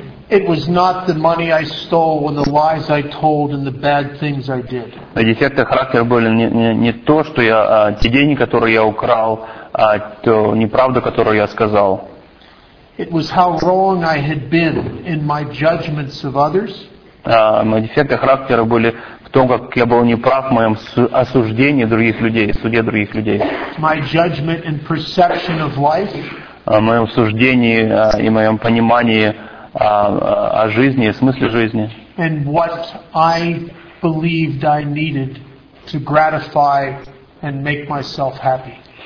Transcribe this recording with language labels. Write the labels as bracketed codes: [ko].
[en] It was not the money I stole and the lies I told and the bad things I did. [ru] Мои дефекты характера были не то, что я те деньги, которые я украл, а то неправду, которую я сказал. [en] It was how wrong I had been in my judgments of others. [ru] Мои дефекты характера были в том, как я был неправ в моем осуждении других людей, суде других людей. [en] My judgment and perception of life. [ru] Моем суждении и моем понимании о жизни, о смысле жизни. [en] And what I believed I needed to gratify and make myself happy.